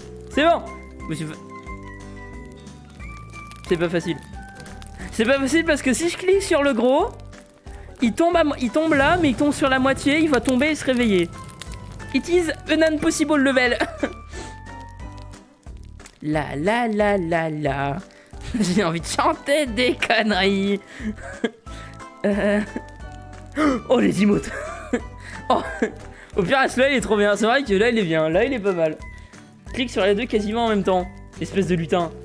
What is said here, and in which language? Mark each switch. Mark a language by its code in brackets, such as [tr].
[fr] C'est bon. C'est pas facile. C'est pas facile parce que si je clique sur le gros, il tombe là, mais il tombe sur la moitié, il va tomber et se réveiller. [en] It is an impossible level. La la la la la. [fr] J'ai envie de chanter des conneries. Oh, les emotes. Oh. Au pire, là il est trop bien. C'est vrai que là il est bien, là il est pas mal. Clique sur les deux quasiment en même temps. Espèce de lutin.